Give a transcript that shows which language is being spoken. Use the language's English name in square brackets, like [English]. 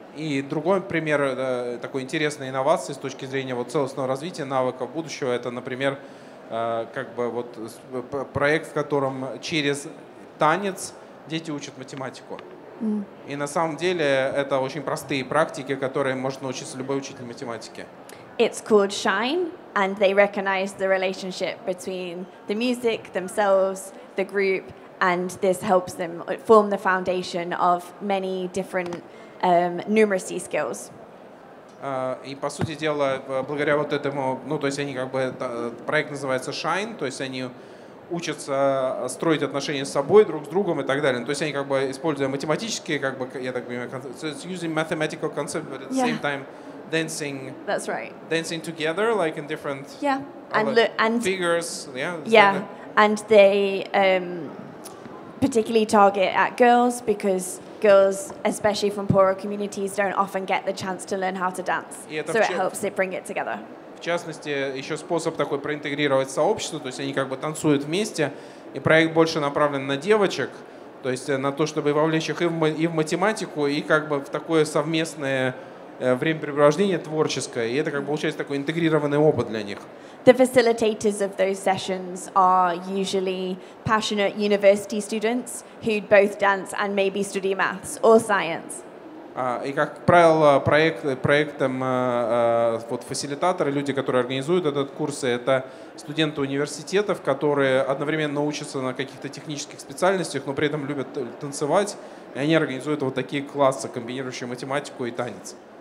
[Russian] И другой пример такой интересной инновации с точки зрения вот целостного развития навыков будущего, это, например, как бы вот проект, в котором через танец дети учат математику. И на самом деле это очень простые практики, которые может научиться любой учитель математики. [English] It's called Shine, and they recognize the relationship between the music, themselves, the group, and this helps them form the foundation of many different numeracy skills. [Russian] И по сути дела, благодаря вот этому, ну то есть они как бы, проект называется Shine, то есть они учатся строить отношения с собой, друг с другом и так далее. То есть они как бы, используя математические, как бы, я так понимаю, [English] using mathematical concept, but at the same time dancing. That's right. Dancing together, like in different and figures. Yeah. Yeah. And they particularly target at girls because girls, especially from poorer communities, don't often get the chance to learn how to dance. So it helps it bring it together. [Russian] В частности, еще способ такой проинтегрировать сообщество, то есть они как бы танцуют вместе, и проект больше направлен на девочек, то есть на то, чтобы вовлечь их и в математику, и как бы в такое совместное времяпрепровождение творческое, и это как бы получается такой интегрированный опыт для них. [English] The facilitators of those sessions are usually passionate university students who both dance and maybe study maths or science. [Russian] И, как правило, проектом вот фасилитаторы, люди, которые организуют этот курс, это студенты университетов, которые одновременно учатся на каких-то технических специальностях, но при этом любят танцевать, и они организуют вот такие классы, комбинирующие математику и танец.